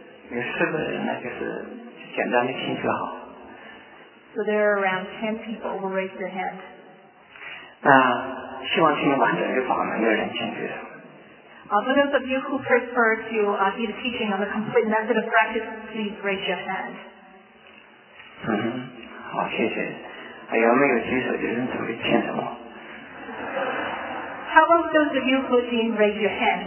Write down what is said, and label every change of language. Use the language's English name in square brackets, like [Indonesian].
[English] So there are around 10 people who raise their hand. [Chinese] 希望听完整这个法门的人请举手。 [English] For those of you who prefer to do the teaching on the complete method of practice, please raise your hand. [Chinese] 好，谢谢。 [English] How about those of you who didn't raise your hand?